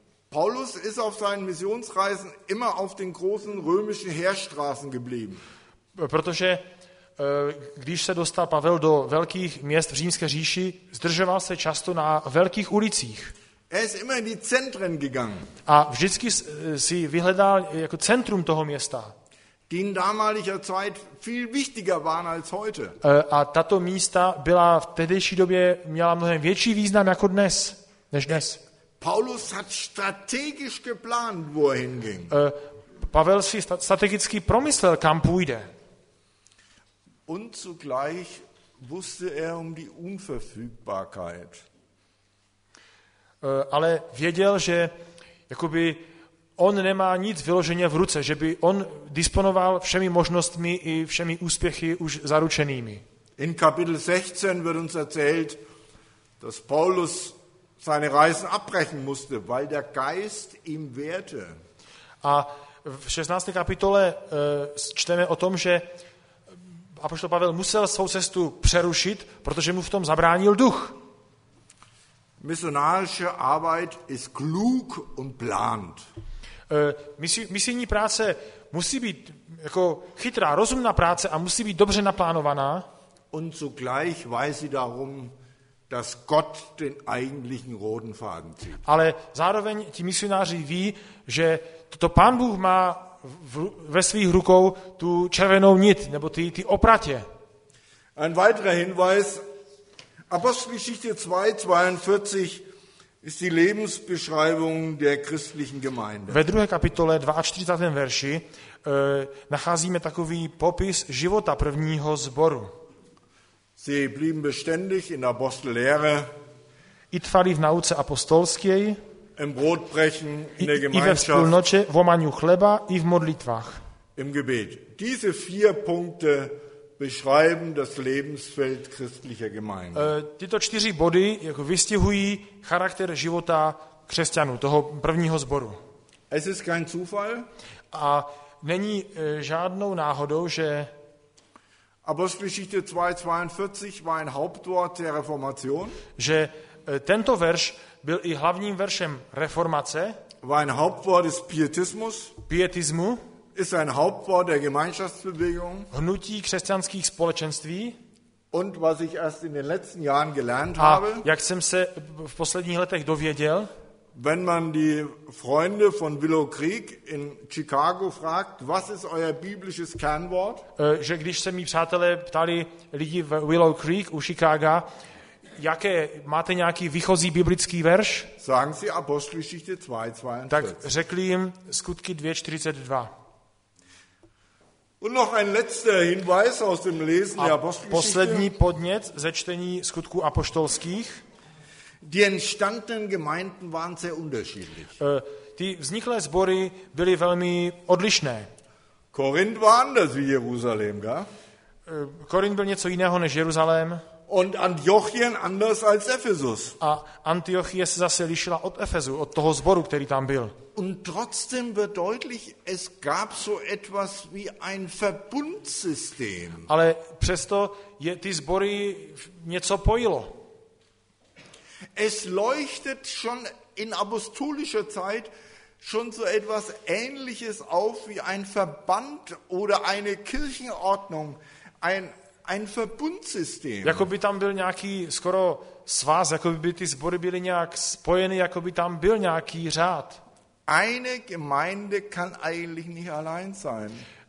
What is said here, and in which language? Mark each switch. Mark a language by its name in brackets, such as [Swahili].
[German] Paulus ist auf seinen Missionsreisen immer auf den großen römischen Heerstraßen geblieben. [Czech] Protože když se dostal Pavel do velkých měst v Římské říši, zdržoval se často na velkých ulicích. [German] Er ist immer in die Zentren gegangen. [Czech] A vždycky si vyhledal jako centrum toho města. [German] Die in damaliger Zeit viel wichtiger waren als heute. [Czech] A tato místa byla v tehdejší době měla mnohem větší význam jako dnes, než dnes. [German] Paulus hat strategisch geplant, wo er hinging. [Czech] Pavel si strategicky promyslel, kam půjde. [German] Und zugleich wusste er um die Unverfügbarkeit. [Czech] Ale věděl, že jakoby on nemá nic vyloženě v ruce, že by on disponoval všemi možnostmi i všemi úspěchy už zaručenými. [German] In Kapitel 16 wird uns erzählt, dass Paulus seine Reisen abbrechen musste, weil der Geist ihm wehrte. [Czech] A v 16. kapitole čteme o tom, že apoštol Pavel musel svou cestu přerušit, protože mu v tom zabránil duch. [German] Missionarische Arbeit ist klug und plant. [Czech] Misijní práce musí být jako chytrá, rozumná práce a musí být dobře naplánovaná. [German] Und zugleich weiß sie darum, dass Gott den eigentlichen roten Faden zieht. [Czech] Ale zároveň ti misionáři ví, že to Pán Bůh má ve svých rukou tu červenou nit, nebo ty opratě. [German] Ein weiterer Hinweis. Apostelgeschichte 2:42 ist die Lebensbeschreibung der christlichen Gemeinde. [Czech] Ve 2. kapitole 42. verši nacházíme takový popis života prvního sboru. [German] Sie blieben beständig in der Apostellehre. [Czech] I trvali v nauce apostolskej. [German] Im Brotbrechen, in der Gemeinschaft. [Czech] I ve vzpůlnoče, v omaňu chleba i v modlitvách. [German] Im Gebet. Diese vier Punkte beschreiben das Lebensfeld christlicher Gemeinde. [Czech] Tyto čtyři body jako vystihují charakter života křesťanů, toho prvního sboru. [German] Es ist kein Zufall. [Czech] A není žádnou náhodou, že [German] Apostelgeschichte 2:42 war ein Hauptwort der Reformation. [Czech] Že tento verš byl i hlavním veršem reformace. [German] War ein Hauptwort des Pietismus. [Czech] Pietismu. [German] Ist ein Hauptwort der Gemeinschaftsbewegung. [Czech] Hnutí křesťanských společenství. [German] Und was ich erst in den letzten Jahren gelernt habe. [Czech] A jak jsem se v posledních letech dověděl. [German] Wenn man die Freunde von Willow Creek in Chicago fragt, was ist euer biblisches Kernwort? [Czech] Že když se mi přátelé ptali lidi v Willow Creek u Chicaga, jaké máte nějaký výchozí biblický verš? [German] Sagen Sie Apostelgeschichte 2:42. [Czech] Tak řekli jim Skutky 2:42. [German] Und noch ein letzter Hinweis aus dem Lesen der Apostelgeschichte. [Czech] Poslední podnět ze čtení Skutků apoštolských. [German] Die entstandenen Gemeinden waren sehr unterschiedlich. [Czech] Ty vzniklé sbory byly velmi odlišné. [German] Korinth war anders wie Jerusalem, ga? [Czech] Korinth byl něco jiného než Jeruzalém. [German] Und Antiochien anders als Ephesus. [Czech] A Antiochie se zase lišila od Efezu, od toho sboru, který tam byl. [German] Und trotzdem wird deutlich, es gab so etwas wie ein Verbundsystem. [Czech] Ale přesto je ty sbory něco pojilo. [German] Es leuchtet schon in apostolischer Zeit schon so etwas Ähnliches auf wie ein Verband oder eine Kirchenordnung, ein Verbundsystem. [Czech] Jakoby tam byl nějaký skoro svaz, jakoby by ty sbory byly nějak spojeny, jakoby tam byl nějaký řád. [German] Eine Gemeinde kann eigentlich nicht allein sein.